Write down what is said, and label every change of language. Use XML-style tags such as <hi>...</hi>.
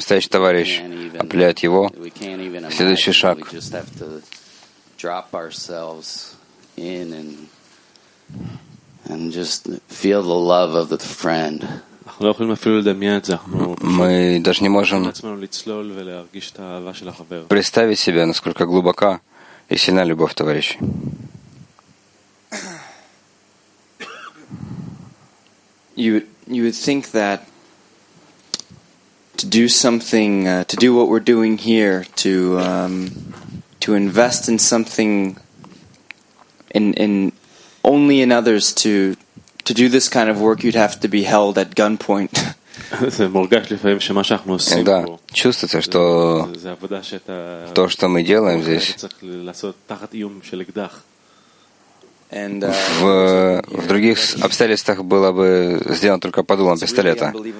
<ru>стоящий товарищ определяет его следующий шаг.</ru> <en>We just have to drop ourselves in and just feel the love of the friend.</en> <ru>Мы даже не можем представить себе, насколько глубока и сильна любовь товарищей.</ru> <en>You would think that to do something, to do what we're doing here, to invest in something in only in others to do this kind of work, you'd have to be held at gunpoint.</en> <ru>Да, чувствуется, что то, что мы делаем здесь, в других обстоятельствах было бы сделано только под дулом пистолета.</ru>